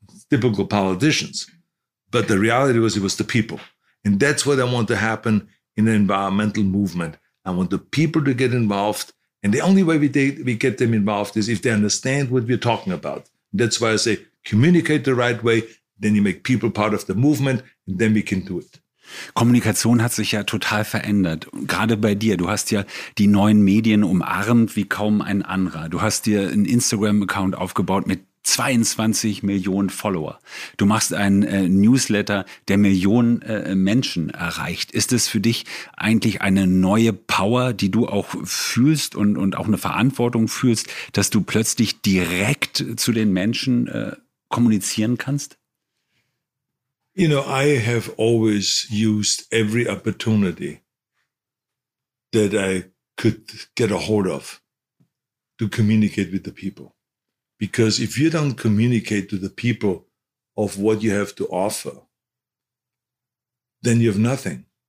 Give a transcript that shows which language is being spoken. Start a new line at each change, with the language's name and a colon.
English: Typical politicians. But the reality was it was the people. And that's what I want to happen in the environmental movement. I want the people to get involved. And the only way we get them involved is if they understand what we're talking about. That's why I say communicate the right way. Then you make people part of the movement. And then we can do it.
German: Kommunikation hat sich ja total verändert. Gerade bei dir. Du hast ja die neuen Medien umarmt wie kaum ein anderer. Du hast dir einen Instagram-Account aufgebaut mit 22 Millionen Follower. Du machst einen Newsletter, der Millionen Menschen erreicht. Ist es für dich eigentlich eine neue Power, die du auch fühlst und auch eine Verantwortung fühlst, dass du plötzlich direkt zu den Menschen kommunizieren kannst?
English: You know, I have always used every opportunity that I could get a hold of to communicate with the people. Because if you don't communicate to the people of what you have to offer, then you have nothing.